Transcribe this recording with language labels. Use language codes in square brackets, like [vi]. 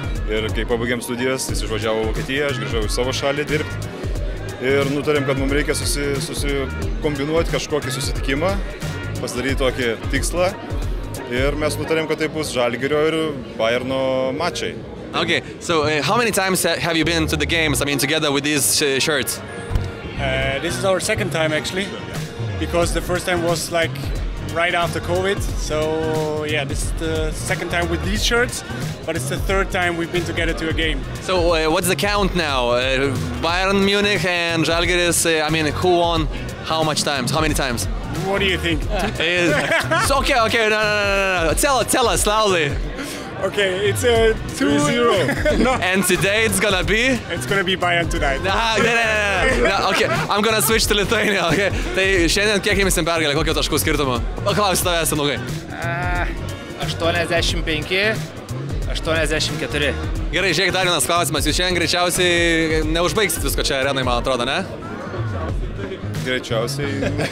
[lt] Ir kai pabaigėm studijas, jis išvažiavo į Vokietiją, aš grįžau į savo šalį dirbti. Ir nutarėm, kad mums reikia susikombinuoti kažkokį susitikimą, pasidaryti tokį tikslą. Ir mes nutarėm, kad tai bus Žalgirio ir Bayerno mačiai. [en] Okay, so how many times have you been to the games, I mean together with these shirts? This is our second time actually, because the first time was like right after COVID, so yeah, this is the second time with these shirts, but it's the third time we've been together to a game. So what's the count now? Bayern Munich and Žalgiris, who won how much times, how many times? What do you think? No. Tell us loudly. Okay, it's 2-0. And today it's gonna be? It's gonna be Bayern tonight. No. Okay, I'm gonna switch to Lithuania, okay? [lt] Tai šiandien kiek jums pergalė, kokio taškų skirtumo? Paklausiu tavęs, senukai. 85, 84. Gerai, žiūrėk, dar vienas klausimas. Jūs šiandien greičiausiai neužbaigsit visko čia arenai, man atrodo, ne? Greičiausiai.